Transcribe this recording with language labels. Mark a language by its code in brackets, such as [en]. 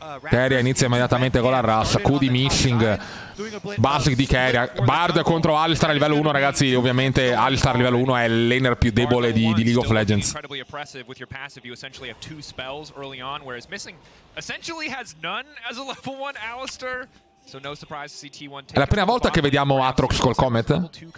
[it] Keria inizia immediatamente con la Rush, Q di missing, basic di Keria, Bard contro Alistar a livello 1 ragazzi, ovviamente Alistar a livello 1 è il laner più debole di League of Legends. [en] Incredibly oppressive with your passive, you essentially have two spells early on, whereas missing essentially has none as a level 1 Alistar. [it] È la prima volta che vediamo Aatrox col Comet.